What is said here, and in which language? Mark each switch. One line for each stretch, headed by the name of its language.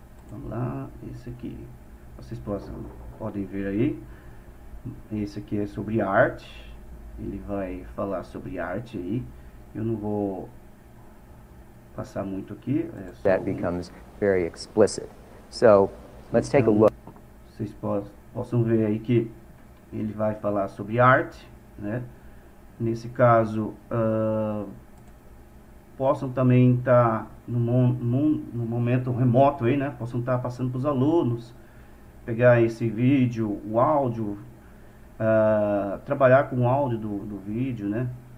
Portuguese: Vamos lá, esse aqui. Vocês podem ver aí. Esse aqui é sobre arte. Ele vai falar sobre arte aí. Eu não vou passar muito aqui.
English: That becomes very explicit. So, let's take a look.
Portuguese: Vocês possam ver aí que ele vai falar sobre arte, né? Nesse caso, possam também estar no momento remoto aí, né? Possam estar passando para os alunos, pegar esse vídeo, o áudio, trabalhar com o áudio do vídeo, né?